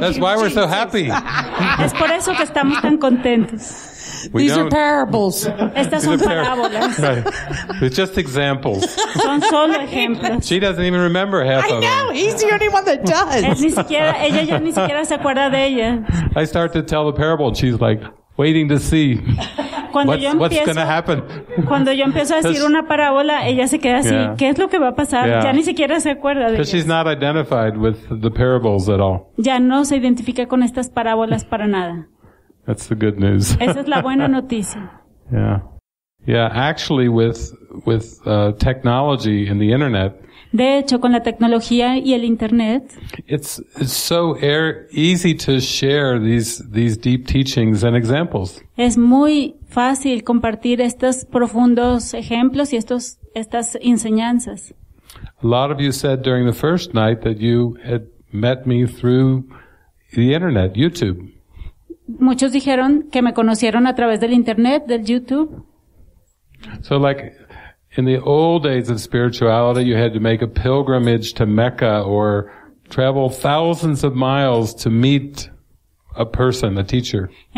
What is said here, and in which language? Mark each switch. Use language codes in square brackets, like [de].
[en] That's why we're so happy. [es] Es por eso que estamos tan contentos. [en] We These are parables. [es] Estas son parábolas. [en] Right. It's just examples. [es] Son solo ejemplos. [en] She doesn't even remember half of them. I know. He's the only one that does. [es] Ella ya ni siquiera se acuerda de ella. [en] I start to tell the parable, and she's like waiting to see what's going to happen. [es] Cuando yo empiezo a decir una parábola, ella se queda así. Yeah. ¿Qué es lo que va a pasar? Yeah. Ya ni siquiera se acuerda de. [en] Because she's not identified with the parables at all. [es] Ya no se identifica con estas parábolas para nada. [en] That's the good news. [es] Esa es la buena noticia. [en] Yeah. Yeah, actually with technology and the internet. [es] De hecho, con la tecnología y el internet. [en] It's so easy to share these deep teachings and examples. [es] Es muy fácil compartir estos profundos ejemplos y estas enseñanzas. [en] A lot of you said during the first night that you had met me through the internet, YouTube. [es] Muchos dijeron que me conocieron a través del internet, del YouTube. [en] So like in the old days of spirituality, you had to make a pilgrimage to Mecca or travel thousands of miles to meet a person, a teacher.